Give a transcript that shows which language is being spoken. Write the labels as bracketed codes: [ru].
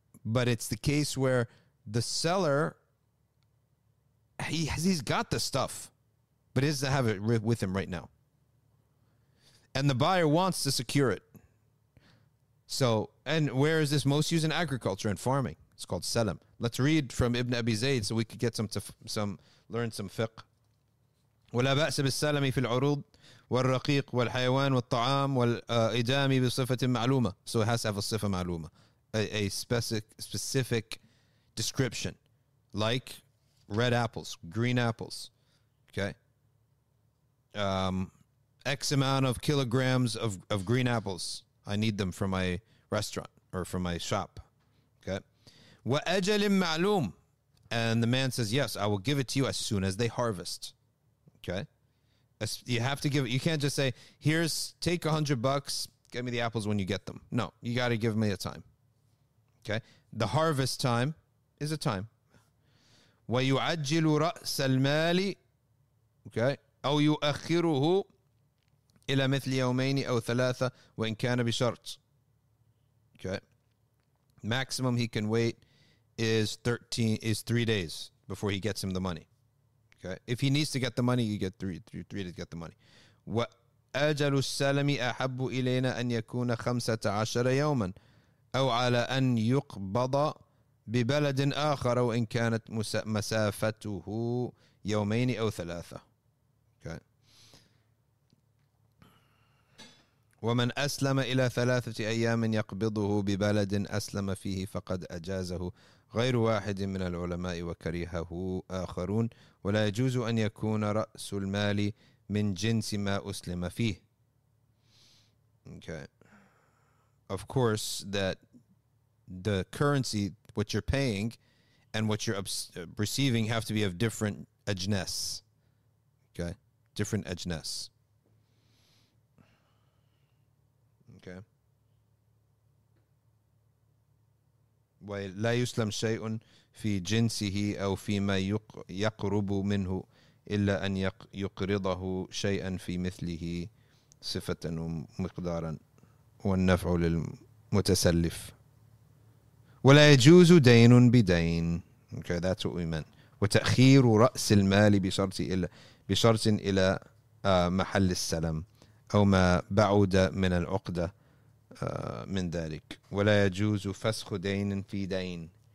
[en] But it's the case where the seller, he's got the stuff, but he doesn't have it with him right now. And the buyer wants to secure it. So, and where is this most used in agriculture and farming? It's called salam. Let's read from Ibn Abi Zayd so we could get learn some fiqh. [ar] ولا بأس بالسلم في العروض والرقيق والحيوان والطعام والإدامي بصفة معلومة. [en] So it has to have a [ar] صفة معلومة, [en] a specific description, like red apples, green apples, okay. X amount of kilograms of green apples. I need them for my restaurant or for my shop, okay. [ar] وأجل معلوم. [en] And the man says, yes, I will give it to you as soon as they harvest. Okay, you have to give it. You can't just say, here's, take $100, get me the apples when you get them. No, you got to give me a time. Okay, the harvest time is a time. [ar] وَيُعَجِّلُ رَأْسَ الْمَالِ. Okay, أَوْ يُؤَخِّرُهُ إِلَى مِثْلِ يَوْمَيْنِ أَوْ ثَلَاثَ وَإِنْ كَانَ بِشَرْطٍ. [en] Okay, maximum he can wait is 3 days before he gets him the money. Okay. If he needs to get the money, you get three to get the money. [ar] وَأَجَلُ السَّلَمِ أَحَبُّ إِلَيْنَا أَنْ يَكُونَ 15 يَوْمًا أَوْ عَلَى أَنْ يُقْبَضَ بِبَلَدٍ آخَرَ وَإِنْ كَانَتْ مَسَافَتُهُ يَوْمَيْنِ أَوْ ثَلَاثَ. Okay. وَمَنْ أَسْلَمَ إِلَى 3 أَيَّامٍ يَقْبِضُهُ بِبَلَدٍ أَسْلَمَ فِيهِ فَقَدْ أَجَازَهُ غير واحد من العلماء وكريهه آخرون ولا يجوز أن يكون رأس المال من جنس ما أسلم فيه. [en] Okay. Of course, that the currency what you're paying and what you're receiving have to be of different ajness. Okay? Different ajness. Okay? [ar] وَلَا يُسْلَمْ شَيْءٌ فِي جِنْسِهِ أَوْ فِي مَا يَقْرُبُ مِنْهُ إِلَّا أَنْ يُقْرِضَهُ شَيْئًا فِي مِثْلِهِ صِفَةً وَمِقْدَارًا وَالنَّفْعُ لِلْمُتَسَلِّفِ وَلَا يَجُوزُ دَيْنٌ بِدَيْنٍ. [en] Okay, that's what we meant. [ar] وَتَأْخِيرُ رَأْسِ الْمَالِ بِشَرْطٍ إِلَى مَحَلِّ السَّلَمِ أَوْ مَا بَعُدَ مِنَ الْعُقْدَةِ من ذلك ولا يجوز فسخ دين في دين.